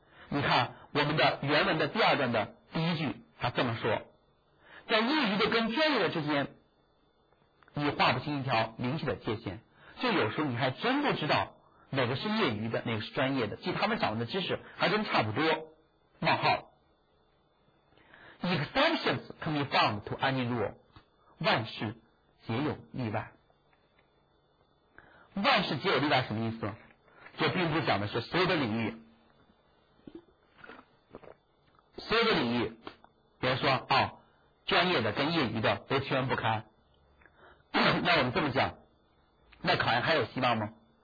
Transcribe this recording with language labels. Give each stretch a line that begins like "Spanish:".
Chinese: 你看我们的原文的第二段的第一句，他这么说，在业余的跟专业的之间，你画不清一条明确的界限，就有时候你还真不知道哪个是业余的，哪个是专业的，即他们掌握的知识还真差不多。冒号。
English: Exceptions can be found to any rule，
Chinese: 万事皆有例外。万事皆有例外什么意思？这并不讲的是所有的领域，所有的领域，比如说啊、哦，专业的跟业余的都区分不开。那我们这么讲，那考研还有希望吗？